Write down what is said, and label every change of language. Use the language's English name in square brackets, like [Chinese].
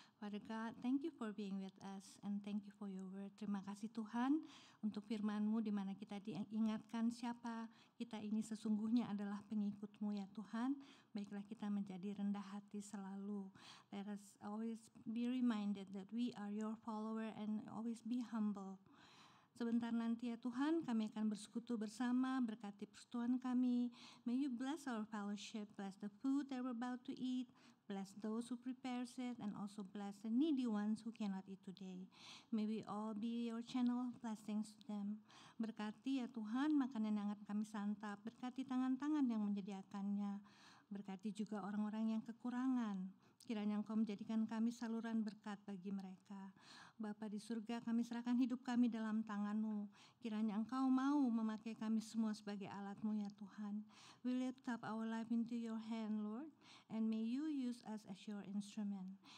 [English] Father God, thank you for being with us and thank you for your word. [Indonesian] Terima kasih Tuhan untuk firman-Mu di mana kita diingatkan siapa kita ini sesungguhnya adalah pengikut-Mu ya Tuhan. Baiklah kita menjadi rendah hati selalu. [English] Let us always be reminded that we are your follower and always be humble. [Indonesian] Sebentar nanti ya Tuhan, kami akan bersekutu bersama, berkati persekutuan kami. [English] May you bless our fellowship, bless the food that we're about to eat, bless those who prepares it, and also bless the needy ones who cannot eat today. May we all be your channel of blessings to them. [Indonesian] Berkati ya Tuhan, makanan yang akan kami santap, berkati tangan-tangan yang menyediakannya, berkati juga orang-orang yang kekurangan. Kiranya Engkau menjadikan kami saluran berkat bagi mereka. Bapa di surga, kami serahkan hidup kami dalam tangan-Mu. Kiranya Engkau mau memakai kami semua sebagai alat-Mu ya Tuhan. [English] We lift up our life into your hand, Lord, and may you use us as your instrument.